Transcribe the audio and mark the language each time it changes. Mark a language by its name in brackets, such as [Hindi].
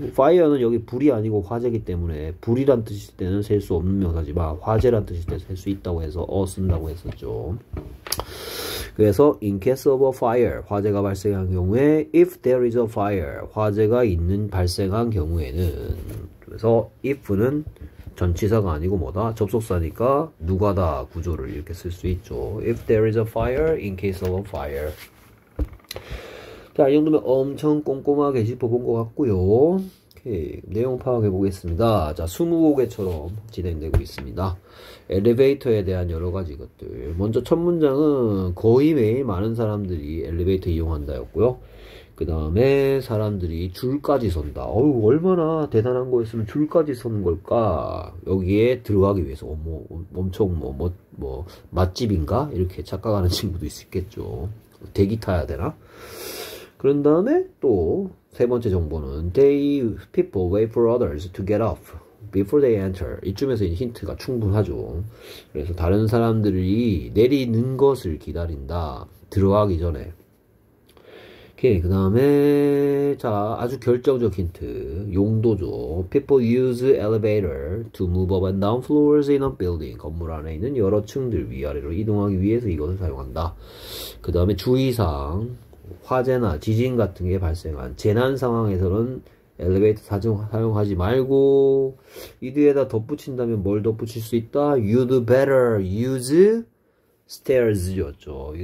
[Korean] fire는 여기 불이 아니고 화재기 때문에 불이란 뜻일 때는 셀수 없는 명사지만 화재란 뜻일 때셀수 있다고 해서 쓴다고 했었죠. 그래서 [English] in case of a fire [Korean] 화재가 발생한 경우에 [English] if there is a fire [Korean] 화재가 있는 발생한 경우에는 그래서 if는 전치사가 아니고 뭐다? 접속사니까 누가다 구조를 이렇게 쓸수 있죠. [English] If there is a fire in case of a fire. [Korean] 자, 이 정도면 엄청 꼼꼼하게 짚어본 것 같고요. 오케이, 내용 파악해 보겠습니다. 자, 20고개처럼 진행되고 있습니다. 엘리베이터에 대한 여러 가지 것들. 먼저 첫 문장은 거의 매일 많은 사람들이 엘리베이터 이용한다였고요. 그 다음에 사람들이 줄까지 선다. 어우, 얼마나 대단한 거였으면 줄까지 선 걸까? 여기에 들어가기 위해서 엄청 뭐 맛집인가? 이렇게 착각하는 친구도 있겠죠. 대기 타야 되나? 그런 다음에 또세 번째 정보는 [English] they people wait for others to get off before they enter. [Korean] 이쯤에서 힌트가 충분하죠. 그래서 다른 사람들이 내리는 것을 기다린다. 들어가기 전에. 오케이. 그 다음에 자, 아주 결정적 힌트. 용도죠. [English] People use elevator to move up and down floors in a building. [Korean] 건물 안에 있는 여러 층들 위아래로 이동하기 위해서 이것을 사용한다. 그 다음에 주의사항. 화재나 지진 같은 게 발생한 재난 상황에서는 엘리베이터 사용하지 말고 이드에다 덧붙인다면 뭘 덧붙일 수 있다? [English] You'd better use stairs였죠.